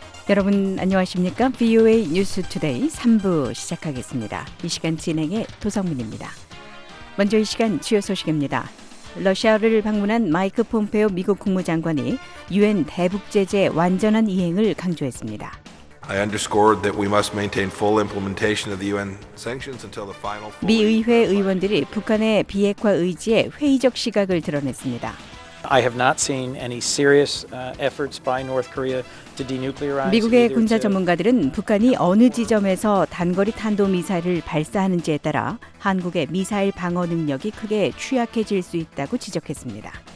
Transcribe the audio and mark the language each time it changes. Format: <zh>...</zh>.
<ko>여러분 안녕하십니까? VOA 뉴스 투데이 3부 시작하겠습니다. 이 시간 진행의 도성민입니다. 먼저 이 시간 주요 소식입니다. 러시아를 방문한 마이크 폼페오 미국 국무장관이 유엔 대북 제재 완전한 이행을 강조했습니다.</ko> <en>I underscored that we must maintain full implementation of the UN sanctions until the final.</en> <ko>미 의회 의원들이 북한의 비핵화 의지에 회의적 시각을 드러냈습니다.</ko> <en>I have not seen any serious efforts by North Korea to denuclearize.</en> <ko>미국의 군사 전문가들은 북한이 어느 지점에서 단거리 탄도 미사일을 발사하는지에 따라 한국의 미사일 방어 능력이 크게 취약해질 수 있다고 지적했습니다.</ko>